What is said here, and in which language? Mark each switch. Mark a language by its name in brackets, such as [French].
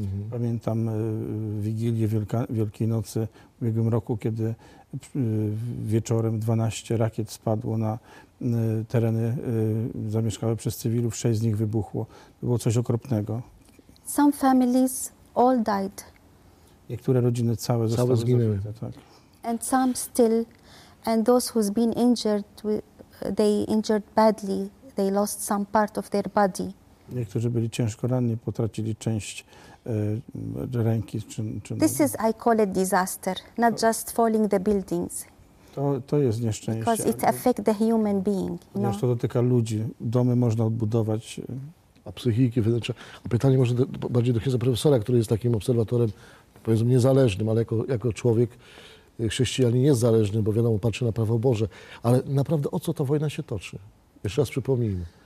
[Polish] Pamiętam Wigilię Wielkiej Nocy w ubiegłym roku, kiedy wieczorem 12 rakiet spadło na tereny zamieszkałe przez cywilów, 6 z nich wybuchło. To było coś okropnego. [English] Some families all died. [Polish] Niektóre rodziny całe zostały zginęły. Tak. [English] And some still, and those who's been injured, they injured badly. They lost some part of their body. [Polish] Niektórzy byli ciężko ranni, potracili część ręki. Czy [English] this is, I call it disaster, not to, just falling the buildings. [Polish] To jest nieszczęście. [English] Because it affects the human being. [Polish] Ponieważ to dotyka ludzi. Domy można odbudować. A psychiki, a pytanie może bardziej do księdza profesora, który jest takim obserwatorem, powiedzmy, niezależnym, ale jako człowiek chrześcijanin jest zależny, bo wiadomo, patrzy na prawo Boże. Ale naprawdę o co ta wojna się toczy? Jeszcze raz przypomnijmy.